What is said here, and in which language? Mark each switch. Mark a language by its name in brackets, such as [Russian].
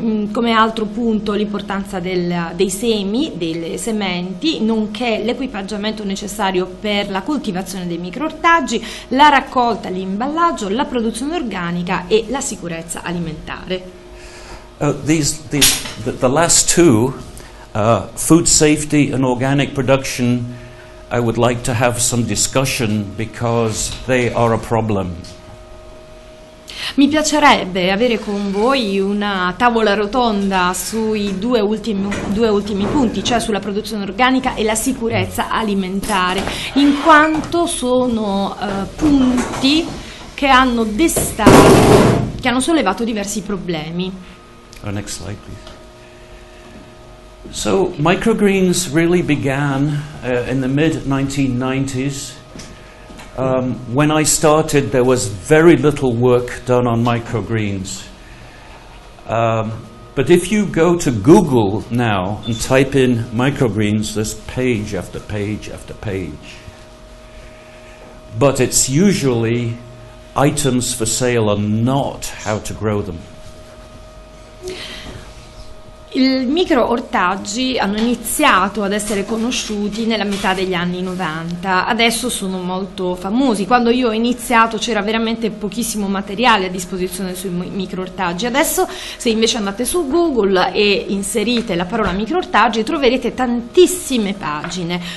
[Italian] come altro punto l'importanza dei semi, delle sementi, nonché l'equipaggiamento necessario per la coltivazione dei microortaggi, la raccolta, l'imballaggio, la produzione organica e la sicurezza alimentare. [English] The last two, food safety and organic production, I would like to have some discussion because they are a problem. [Italian] Mi piacerebbe avere con voi una tavola rotonda sui due ultimi punti, cioè sulla produzione organica e la sicurezza alimentare, in quanto sono punti che hanno destato, che hanno sollevato diversi problemi. [English] Our next slide, please. So, microgreens really began in the mid-1990s. When I started, there was very little work done on microgreens. But if you go to Google now and type in microgreens, there's page after page after page. But it's usually items for sale and not how to grow them. [Italian] I microortaggi hanno iniziato ad essere conosciuti nella metà degli anni 90, adesso sono molto famosi. Quando io ho iniziato c'era veramente pochissimo materiale a disposizione sui microortaggi, adesso se invece andate su Google e inserite la parola microortaggi troverete tantissime pagine.